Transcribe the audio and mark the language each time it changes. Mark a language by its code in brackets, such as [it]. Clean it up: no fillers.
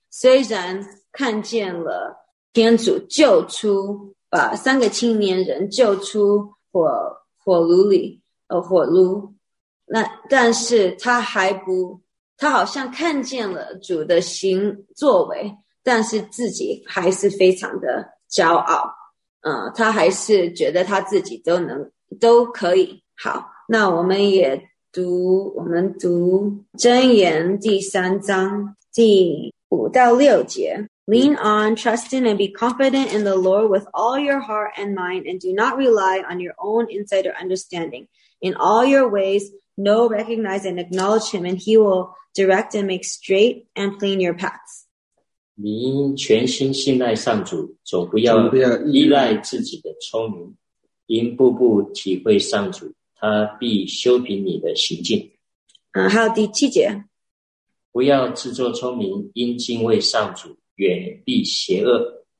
[zh] 虽然看见了天主救出，把三个青年人救出火炉，那但是他好像看见了主的行作为，但是自己还是非常的骄傲。他还是觉得他自己都可以。好，那我们也读箴言第三章第五到六节。 [en] Lean on, trust in, and be confident in the Lord with all your heart and mind, and do not rely on your own insight or understanding. In all your ways, know, recognize, and acknowledge Him, and He will direct and make straight and plain your paths. [zh] 你应全心信赖上主，总不要依赖自己的聪明，应步步体会上主，他必修平你的行径。还有第七节。不要自作聪明，应敬畏上主，远避邪恶。